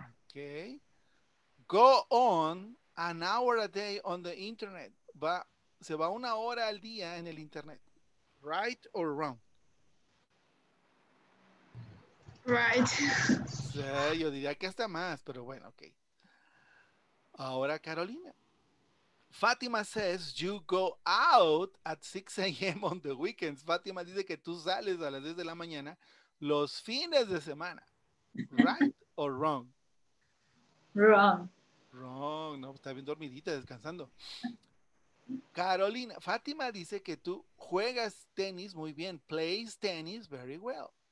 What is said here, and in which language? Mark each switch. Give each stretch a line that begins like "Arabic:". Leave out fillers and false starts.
English: Ok. Go on an hour a day on the internet. Va.
Spanish: Se va una hora al día en el internet.
English: Right or wrong? Right.
Spanish: Sí, yo diría que hasta más, pero bueno, ok. Ahora Carolina.
English: Fátima says you go out at 6 a.m. on the weekends.
Spanish: Fátima dice que tú sales a las 10 de la mañana los fines de semana.
English: Right or wrong? Wrong.
Spanish: Wrong, no, está bien dormidita, descansando. Carolina, Fátima dice que tú juegas tenis muy bien,
English: plays tenis very well.